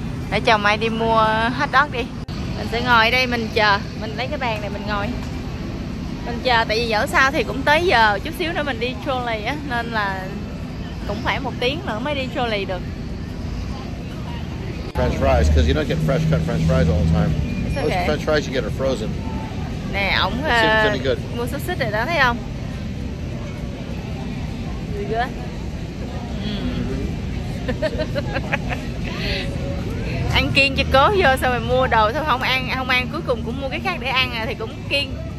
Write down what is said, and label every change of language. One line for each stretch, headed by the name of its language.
Vietnamese: Để chồng mày đi mua hot dog đi. Mình sẽ ngồi ở đây mình chờ, mình lấy cái bàn này mình ngồi. mình chờ, tại vì dẫu sao thì cũng tới giờ, chút xíu nữa mình đi trolley á, nên là cũng phải một tiếng nữa mới đi trolley được.
English: French fries, because you don't get fresh cut French fries all the time. Okay. Most French fries you get are frozen.
Vietnamese: Nè, ông mua xúc xích rồi đó, thấy không? Ăn kiêng cho cố vô, sao mày mua đồ sao không ăn, không ăn cuối cùng cũng mua cái khác để ăn à, thì cũng kiêng.